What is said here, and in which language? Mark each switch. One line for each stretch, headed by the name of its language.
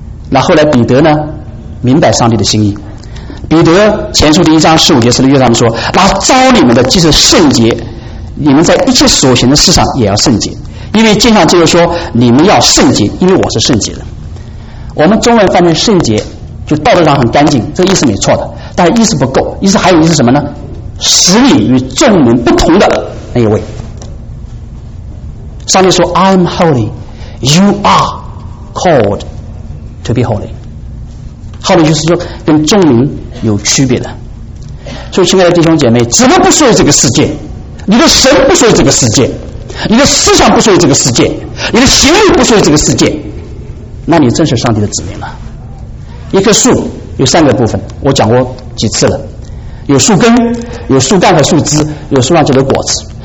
Chinese: 那后来彼得呢明白上帝的心意，彼得前书第一章十五节十六节上面说，那召你们的既是圣洁，你们在一切所行的事上也要圣洁。因为经上就是说你们要圣洁，因为我是圣洁的。我们中文翻译圣洁就道德上很干净，这个意思没错的，但是意思不够。意思还有意思什么呢？使你与众人不同的那一位。上帝说
English: I'm holy, you are called to be holy。
Chinese: 后面就是说跟众人有区别的。所以亲爱的弟兄姐妹，只能不属于这个世界，你的神不属于这个世界，你的思想不属于这个世界，你的行为不属于这个世界，那你正是上帝的子民了。一棵树有三个部分，我讲过几次了，有树根，有树干和树枝，有树上结的果子。